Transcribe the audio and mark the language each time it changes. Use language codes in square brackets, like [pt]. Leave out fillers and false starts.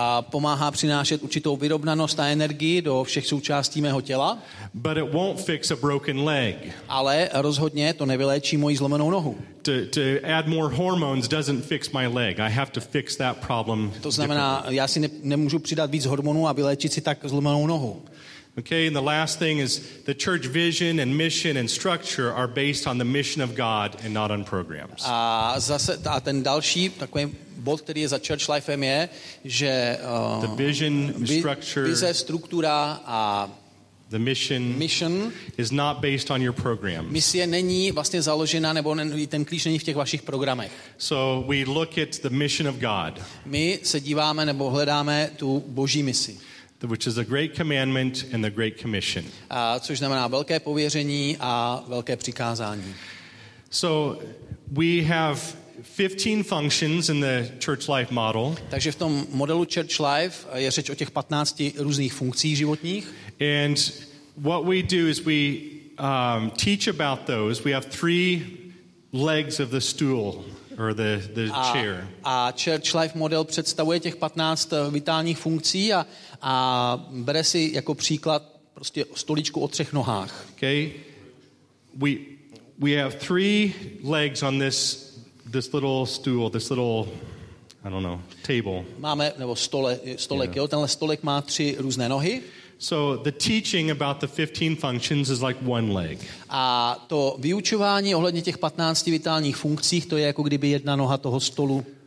[cs] Pomáhá přinášet určitou vyrovnanost a energii do všech součástí mého těla. [en] But it won't fix a broken leg. [cs] Ale rozhodně to nevyléčí moji zlomenou nohu. [en] To add more hormones doesn't fix my leg. I have to fix that problem. [cs] To znamená, [en] differently. [cs] Já si nemůžu přidat víc hormonů a vyléčit si tak zlomenou nohu. [en] Okay, and the last thing is the church vision and mission and structure are based on the mission of God and not on programs. [cs] A ten další takový bod, který je za church lifem, je, že [en] the vision, structure, [cs] vize, struktura a [en] the mission is not based on your programs. [cs] Misie není vlastně založena, nebo ten klíč není v těch vašich programech. [en] So we look at the mission of God. [cs] My se díváme nebo hledáme tu boží misi. [en] Which is a great commandment and the great commission. [cs] Což znamená velké pověření a velké přikázání. [en] So we have 15 functions in the church life model. [cs] Takže v tom modelu church life je řeč o těch 15 různých funkcích životních. [en] And what we do is we teach about those. We have three legs of the stool. Or the chair. [cs] A church life model představuje těch 15 vitálních funkcí a bere si jako příklad prostě stoličku o třech nohách. [en] Okay. We have three legs on this little stool, this little, I don't know, table. [cs] Máme nebo stolek, jo, tenhle stolek má tři různé nohy. [en] So the teaching about the 15 functions is like one leg. [cs] A to vyučování ohledně těch 15 vitálních funkcí, to je jako kdyby jedna noha toho stolu.